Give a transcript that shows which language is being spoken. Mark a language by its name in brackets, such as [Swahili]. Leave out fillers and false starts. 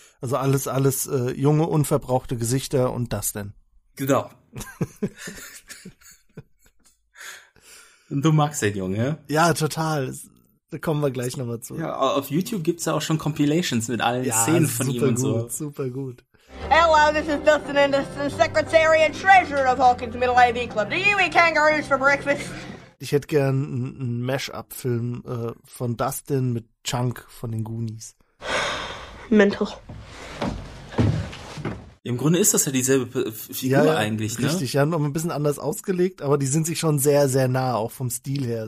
[German] Also alles junge, unverbrauchte Gesichter und das denn. Genau. Du magst den Junge, ja? Ja, total. Da kommen wir gleich nochmal zu. Ja, auf YouTube gibt's ja auch schon Compilations mit allen, ja, Szenen von ihm und gut, so. Super gut, super gut. [English] Hello, this is Dustin Anderson, Secretary and Treasurer of Hawkins Middle AV Club. Do you eat kangaroos for breakfast? [German] Ich hätte gern einen Mash-Up-Film von Dustin mit Chunk von den Goonies. Mental. Im Grunde ist das ja dieselbe Figur, ja, eigentlich, richtig, ne? Richtig, ja, noch ein bisschen anders ausgelegt, aber die sind sich schon sehr, sehr nah, auch vom Stil her.